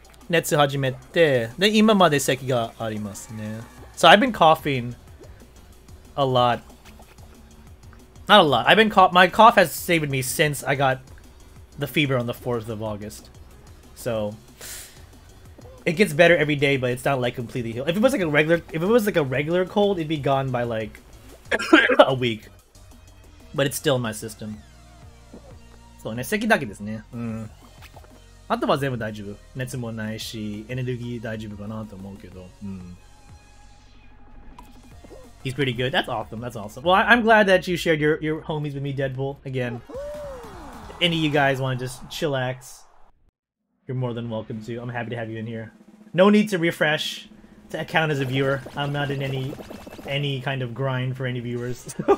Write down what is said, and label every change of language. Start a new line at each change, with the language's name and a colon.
Japanese: 熱始めて、で今まで咳がありますね。
English: So I've been coughing a lot. Not a lot. I've been cough. My cough has saved me since I got the fever on the 4th of August. So it gets better every day, but it's not like completely healed. If it was like a regular cold, it'd be gone by like a week. But it's still in my system. So
Japanese: ね、咳だけですね。うん。あとは全部大丈夫。熱もないし、エネルギー大丈夫かなと思うけど。うん。
English: He's pretty good. That's awesome. That's awesome. Well, I'm glad that you shared your homies with me, Deadpool, again. Any of you guys want to just chillax, you're more than welcome to. I'm happy to have you in here. No need to refresh to account as a viewer. I'm not in any kind of grind for any viewers.